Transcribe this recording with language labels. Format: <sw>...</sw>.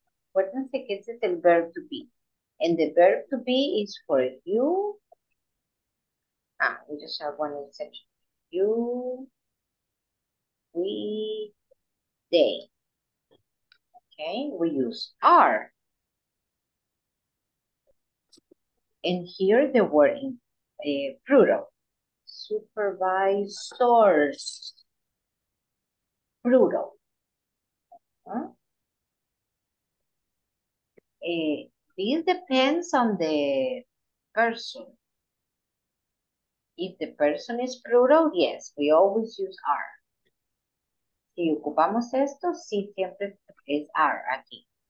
<es>Acuérdense que ese es el verb to be.</es> <en>And the verb to be is for you. We just have one exception. You. We, they. Okay, we use are. And here the word in plural. Supervisors. Plural. This depends on the person. If the person is plural, yes, we always use are.</en> <es>Si ocupamos esto, sí, siempre es are aquí.</es>